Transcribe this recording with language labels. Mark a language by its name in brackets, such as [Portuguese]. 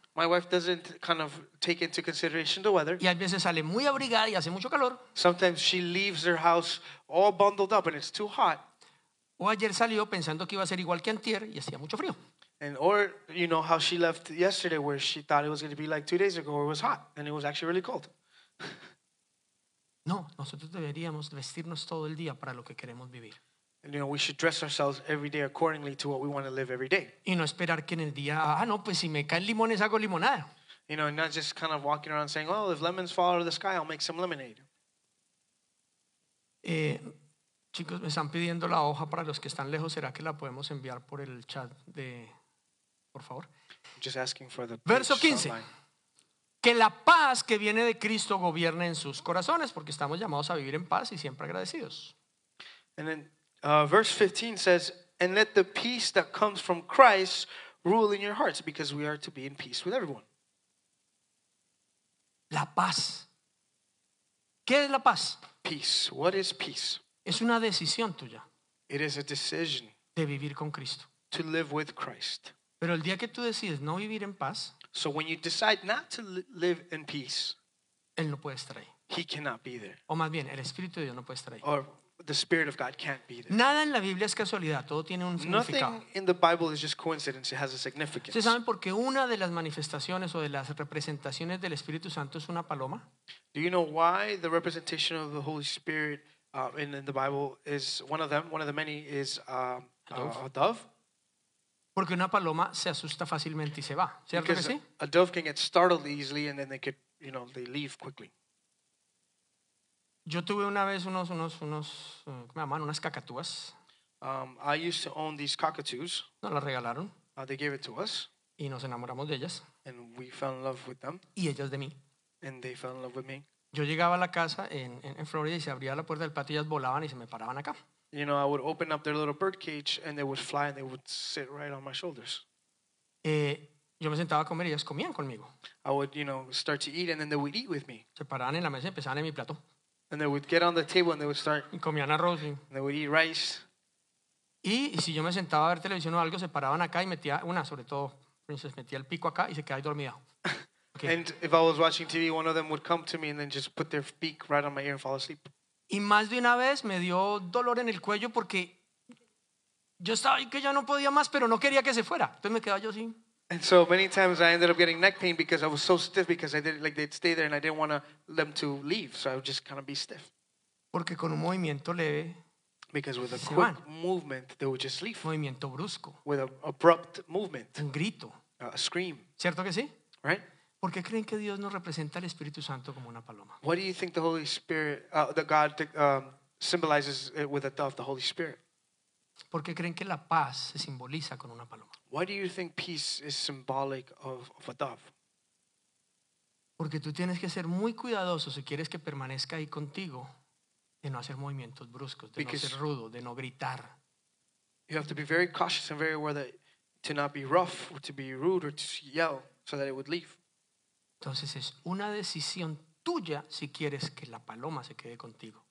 [English] My wife doesn't kind of take into consideration the weather. [Spanish] Y a veces sale muy abrigada y hace mucho calor. [English] Sometimes she leaves her house all bundled up and it's too hot. [Spanish] O ayer salió pensando que iba a ser igual que antier y hacía mucho frío. [English] And or you know how she left yesterday where she thought it was going to be like 2 days ago where it was hot and it was actually really cold. [Spanish] No, nosotros deberíamos vestirnos todo el día para lo que queremos vivir. [English] And, you know, we should dress ourselves every day accordingly to what we want to live every day. [Spanish] Y no esperar que en el día, pues si me caen limones hago limonada. [English] You know, not just kind of walking around saying, oh, if lemons fall out of the sky, I'll make some lemonade. [Spanish] Chicos, me están pidiendo la hoja para los que están lejos. ¿Será que la podemos enviar por el chat de, por favor? [English] Just asking for the [Spanish] verso 15. [English] Online. [Spanish] Que la paz que viene de Cristo gobierne en sus corazones, porque estamos llamados a vivir en paz y siempre agradecidos. [English] And then verse 15 says, and let the peace that comes from Christ rule in your hearts, because we are to be in peace with everyone. [Spanish] La paz. ¿Qué es la paz? [English] Peace. What is peace? [Spanish] Es una decisión tuya. [English] It is a decision. [Spanish] De vivir con Cristo. [English] to live with Christ. [Spanish] Pero el día que tú decides no vivir en paz, [English] so when you decide not to live in peace, [Spanish] él no puede estar ahí. [English] He cannot be there. [Spanish] O más bien, el Espíritu de Dios no puede estar ahí. [English] Or the Spirit of God can't be there. [Spanish] Nada en la Biblia es casualidad. Todo tiene un significado. [English] Nothing in the Bible is just coincidence. It has a significance. [Spanish] ¿Se saben por qué una de las manifestaciones o de las representaciones del Espíritu Santo es una paloma? [English] Do you know why the representation of the Holy Spirit in the Bible is one of them, one of the many, is a dove? [Spanish] Porque una paloma se asusta fácilmente y se va. ¿Cierto que sí? [English] A dove can get startled easily and then they could, you know, they leave quickly. [Spanish] Yo tuve una vez unos ¿cómo llaman? Unas cacatúas. [English] I used to own these cockatoos. [Spanish] Nos las regalaron. [English] They gave it to us. [Spanish] Y nos enamoramos de ellas. [English] And we fell in love with them. [Spanish] Y ellas de mí. [English] And they fell in love with me. [Spanish] Yo llegaba a la casa en Florida y se abría la puerta del patio y ellas volaban y se me paraban acá. [English] You know, I would open up their little bird cage and they would fly and they would sit right on my shoulders. [Spanish] Yo me sentaba a comer y ellas comían conmigo. [English] I would, you know, start to eat and then they would eat with me. [Spanish] Se paraban en la mesa y empezaban en mi plato. [English] And they would get on the table and they would start. [Spanish] Y comían arroz. Y... [English] They would eat rice. [Spanish] Y si yo me sentaba a ver televisión o algo, se paraban acá y metía una, sobre todo, Princess, metía el pico acá y se quedaba ahí dormida. [English] Okay. And if I was watching TV, one of them would come to me and then just put their beak right on my ear and fall asleep. [Spanish] Y más de una vez me dio dolor en el cuello porque yo estaba ahí que ya no podía más, pero no quería que se fuera. Entonces me quedaba yo así. [English] And so many times I ended up getting neck pain because I was so stiff because I didn't like they'd stay there and I didn't want them to leave. So I would just kind of be stiff. [Spanish] Porque con un movimiento leve, [English] because with a quick [Spanish] van. [English] Movement, they would just leave. [Spanish] Movimiento brusco. [English] With an abrupt movement. [Spanish] Un grito. [English] A scream. [Spanish] ¿Cierto que sí? [English] Right? [Spanish] ¿Por qué creen que Dios nos representa al Espíritu Santo como una paloma? [English] What do you think the Holy Spirit, that God symbolizes with a dove, the Holy Spirit? [Spanish] ¿Por qué creen que la paz se simboliza con una paloma? [English] Why do you think peace is symbolic of a dove? [Spanish] Porque tú tienes que ser muy cuidadoso si quieres que permanezca ahí contigo de no hacer movimientos bruscos, de [English] because [Spanish] no ser rudo, de no gritar. [English] You have to be very cautious and very aware that to not be rough or to be rude or to yell so that it would leave. [Spanish] Entonces es una decisión tuya si quieres que la paloma se quede contigo.